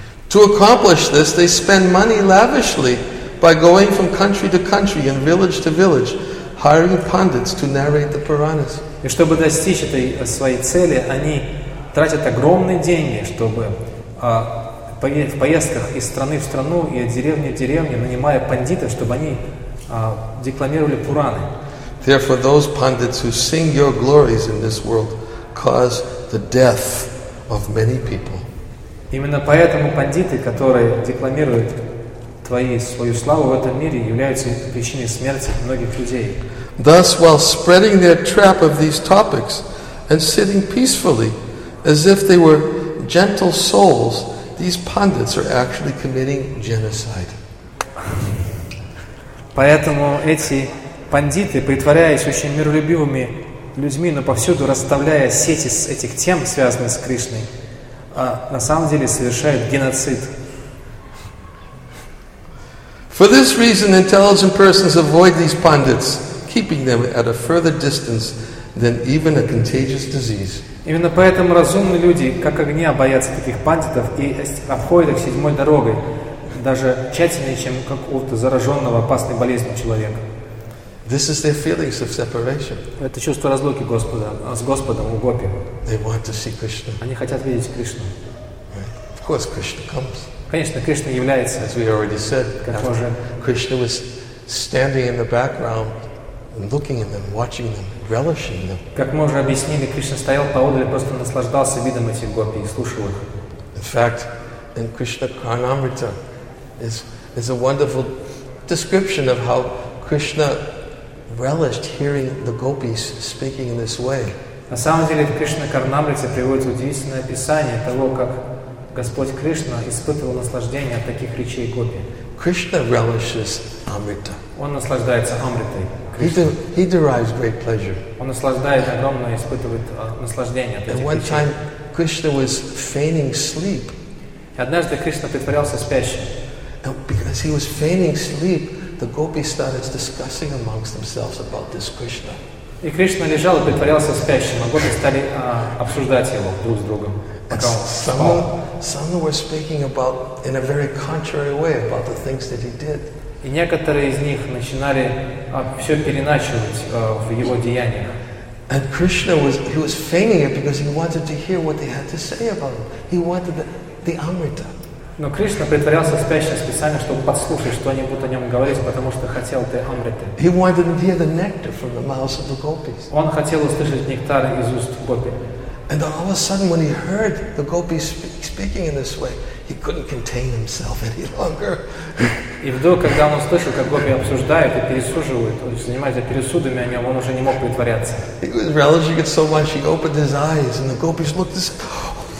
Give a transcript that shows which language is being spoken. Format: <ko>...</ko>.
<en>To accomplish this, they spend money lavishly by going from country to country and village to village, hiring pundits to narrate the Puranas.</en> <ru>И чтобы достичь этой своей цели, они тратят огромные деньги, чтобы в поездках из страны в страну и от деревни в деревню, нанимая пандитов, чтобы они декламировали Пураны.</ru> <en>Therefore, those pundits who sing your glories in this world cause the death of many people.</en> <ru>Именно поэтому пандиты, которые декламируют свою славу в этом мире, являются причиной смерти многих людей.</ru> <en>Thus, while spreading their trap of these topics and sitting peacefully, as if they were gentle souls, these pundits are actually committing genocide.</en> <ru>Поэтому эти пандиты, притворяясь очень миролюбивыми людьми, но повсюду расставляя сети с этих тем, связанных с Кришной, на самом деле совершают геноцид.</ru> <en>For this reason, intelligent persons avoid these pundits, keeping them at a further distance than even a contagious disease.</en> <ru>Именно поэтому разумные люди, как огня, боятся таких пандитов и обходят их седьмой дорогой, даже тщательнее, чем какого-то зараженного опасной болезнью человека.</ru> <en>This is their feelings of separation.</en> <ru>Это чувство разлуки Господа, с Господом у гопи.</ru> <en>They want to see Krishna.</en> <ru>Они хотят видеть Кришну.</ru> <en>Right. Of course, Krishna comes.</en> <ru>Конечно, Кришна является.</ru> <en>As we already said, Krishna was standing in the background, looking at them, watching them, relishing them.</en> <ru>Как мы уже объяснили, Кришна стоял поодаль и просто наслаждался видом этих гопи и слушал их.</ru> <en>In fact, in Krishna Karnamrita is a wonderful description of how Krishna relished hearing the gopis speaking in this way.</en> <ru>На самом деле, в Кришна Карнамрите приводится удивительное описание того, как Господь Кришна испытывал наслаждение от таких речей гопи.</ru> <en>Krishna relishes Amrita.</en> <ru>Он наслаждается Амритой.</ru> <en>He derives great pleasure.</en> <ru>Он наслаждается огромное, испытывает наслаждение от этих речей.</ru> <en>And one time Krishna was feigning sleep.</en> <ru>Однажды Кришна притворялся спящим.</ru> <en>And because he was feigning sleep, the gopis started discussing amongst themselves about this Krishna.</en> <ru>И Кришна лежал и притворялся спящим, а гопи стали обсуждать его друг с другом.</ru> <en>Some were speaking about in a very contrary way about the things that he did.</en> <ru>И некоторые из них начинали все переначивать в его деяниях.</ru> <en>And Krishna was feigning it because he wanted to hear what they had to say about him. He wanted the Amrita.</en> <ru>Но Кришна притворялся спящим специально, чтобы послушать, что они будут о нем говорить, потому что хотел ты амриты.</ru> <en>He wanted to hear the nectar from the mouths of the gopis.</en> <ru>Он хотел услышать нектар из уст гопи.</ru> <en>And all of a sudden, when he heard the gopis speaking in this way, he couldn't contain himself any longer.</en> <ru>И вдруг, когда он услышал, как гопи обсуждают и пересуживают, занимаются пересудами о нем, он уже не мог притворяться.</ru> <en>He was relishing it so much, he opened his eyes, and the gopis looked at him.</en>